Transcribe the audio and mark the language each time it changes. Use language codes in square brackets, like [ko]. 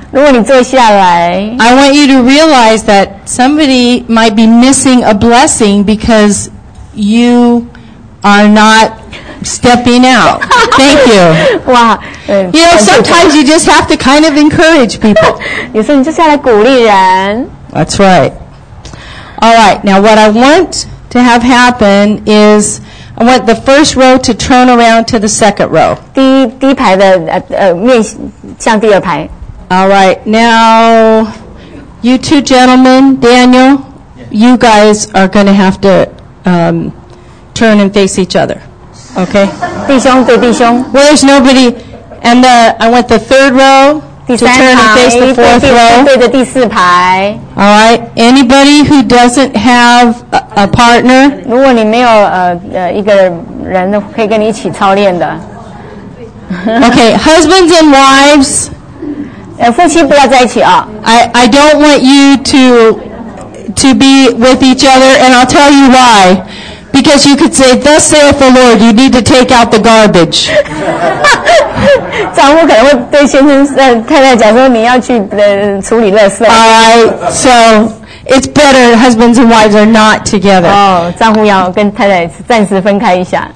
[zh] 如果你坐下来 [en] I want you to realize that somebody might be missing a blessing because you are not stepping out. Thank you. Wow. You know, sometimes you just have to kind of encourage people. [zh] 有时候你就是要来鼓励人 [en] That's right. All right. Now, what I want to have happen is I want the first row to turn around to the second row. [zh] 第一排的面向第二排 [en] All right, now, you two gentlemen, Daniel, you guys are going to have to turn and face each other, okay? [zh] 弟兄对弟兄 [en] Where's nobody? And I want the third row to turn and face the fourth row. [zh] 对着第四排 [en] All right, anybody who doesn't have a partner? [zh] 如果你没有一个人可以跟你一起操练的 [en] Okay, husbands and wives... [zh] 夫妻不要在一起啊 [en] I don't want you to be with each other and I'll tell you why because you could say thus saith the Lord you need to take out the garbage [zh] 丈夫可能会对先生太太讲说你要去处理垃圾 [en] Alright, so it's better husbands and wives are not together [zh] 丈夫要跟太太暂时分开一下